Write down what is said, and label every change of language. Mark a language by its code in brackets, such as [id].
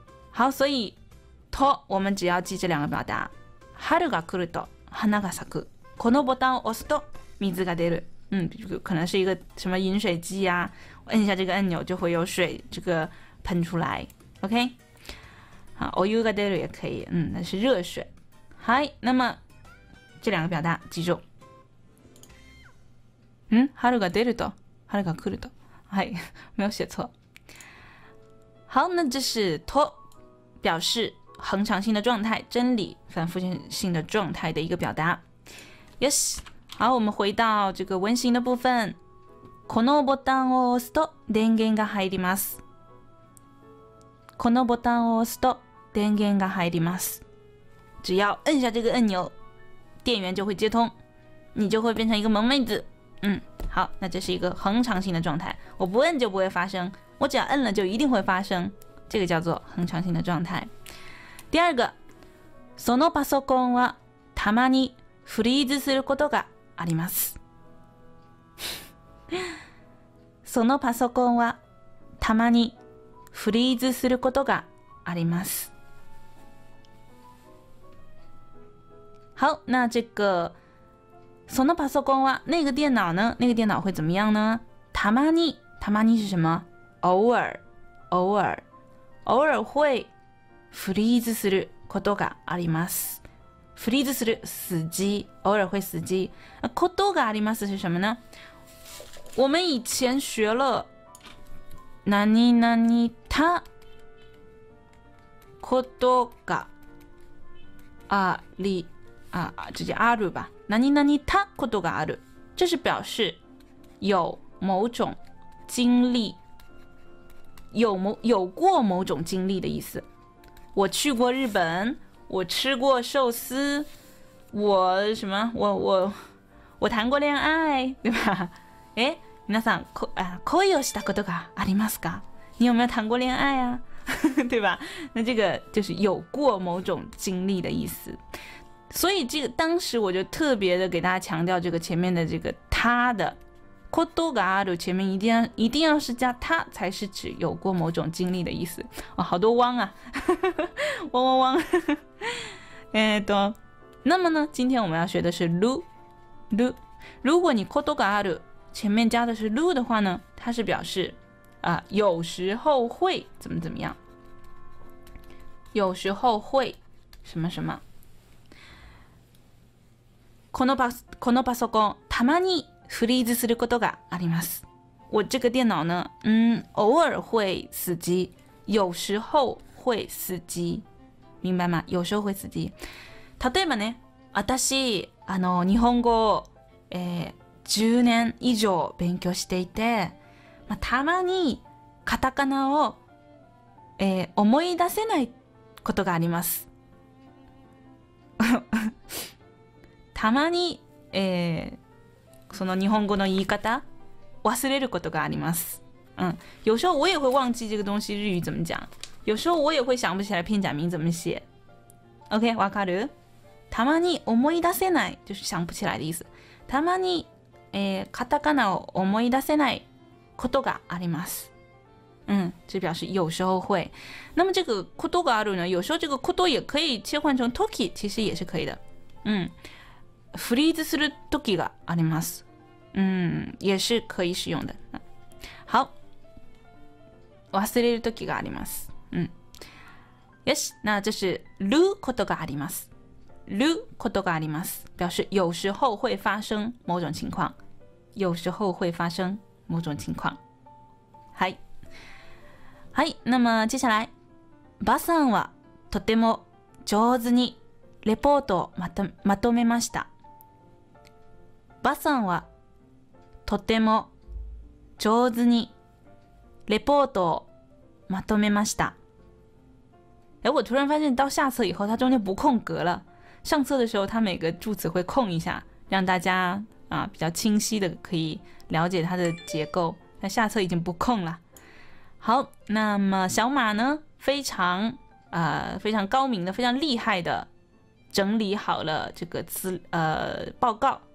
[zh] 好，所以拖我们只要记这两个表达， [ja] 春が来ると花が咲く，このボタンを押すと水が出る， [zh] 可能是一个什么饮水机啊，按下这个按钮就会有水这个喷出来。 OK， 好， [ja] お湯が出る [zh] 也可以，那是热水。嗨，那么这两个表达记住。 [ja] 春が出ると春が来ると， [zh] 嗨，没有写错。好，那这是と表示恒常性的状态，真理反复性的状态的一个表达。 Yes， 好，我们回到这个温馨的部分。 [ja] このボタンを押すと電源が入ります。このボタンを押すと電源が入ります。 [zh] 只要按下这个按钮，电源就会接通，你就会变成一个萌妹子。好，那这是一个恒常性的状态，我不按就不会发生，我只要按了就一定会发生，这个叫做恒常性的状态。第二个， [ja] そのパソコンはたまにフリーズすることがあります。そのパソコンはたまにフリーズすることがあります。 [zh] 好，那这个 [ja] そのパソコンは [zh] 那个电脑呢？那个电脑会怎么样呢？たまに，たまに是什么？偶尔会。 [ja] フリーズすることがあります。フリーズする， [zh] 死机，偶尔会死机。ことがあります是什么呢？我们以前学了何何他ことがありあ直接ある吧，何何他ことがある，这是表示有某种经历，有过某种经历的意思。我去过日本，我吃过寿司，我什么？我谈过恋爱，对吧？ [ja] 哎，皆さん、恋をしたことがありますか？ [zh] 你有没有谈过恋爱啊？对吧？那这个就是有过某种经历的意思。所以这个当时我就特别的给大家强调这个前面的这个他的。ことがある前面一定要是加他才是指有过某种经历的意思、哦、好多汪啊汪汪汪那么呢今天我们要学的是る る如果你ことがある前面加的是る的话呢它是表示、有时候会怎么怎么样有时候会什么什么 [ja] このパソコンたまにフリーズすることがあります。 [zh] 我这个电脑呢，偶尔会死机，有时候会死机，明白吗？有时候会死机。 [ja] 例えばね、私日本語、10年以上勉強していて、まあ、たまにカタカナを、思い出せないことがあります。たまに、その日本語の言い方忘れることがあります。 [zh] 有时候我也会忘记这个东西日语怎么讲。有时候我也会想不起来片假名怎么写。 [ja] OK, 分かる？たまに思い出せない [zh] 就是想不起来的意思。 [ja] たまに、カタカナを思い出せないことがあります。 [zh] 这表示有时候会。那么这个ことがある呢？有时候这个こと也可以切换成時，其实也是可以的。 [ja] フリーズする時があります。 [zh] 也是可以使用的。好。忘れる時があります。 [ja] よし、 [zh] 那这是 [ja] ることがあります。ることがあります。 [zh] 表示有时候会发生某种情况。有时候会发生某种情况。 [ja] はい。はい、 [zh] 那么接下来。 [ja] バさんはとても上手にレポートをまとめました。バさんはとても上手にレポートをまとめました。 [zh] 哎，我突然发现到下册以后，它中间不空格了。上册的时候，它每个助词会空一下，让大家比较清晰的可以了解它的结构。那下册已经不空了。好，那么小马呢，非常高明的，非常厉害的整理好了这个报告。